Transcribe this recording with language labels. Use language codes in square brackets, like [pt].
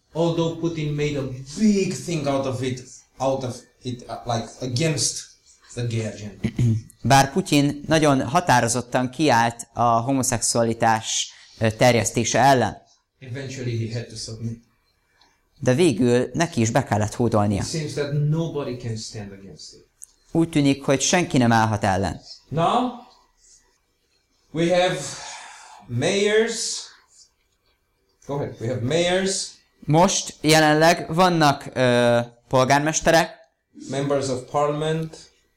[en] Although Putin made a big thing out of it, like against the gay agenda. [hu] Bár Putin nagyon határozottan kiállt a homoszexualitás terjesztése ellen. [en] Eventually he had to submit. [hu] De végül neki is be kellett hódolnia. [en] It seems that nobody can stand against it. [hu] Úgy tűnik, hogy senki nem állhat ellen. [en] Now, we have mayors. Go ahead, we have mayors. [hu] Most jelenleg vannak polgármesterek. [en] Members of parliament.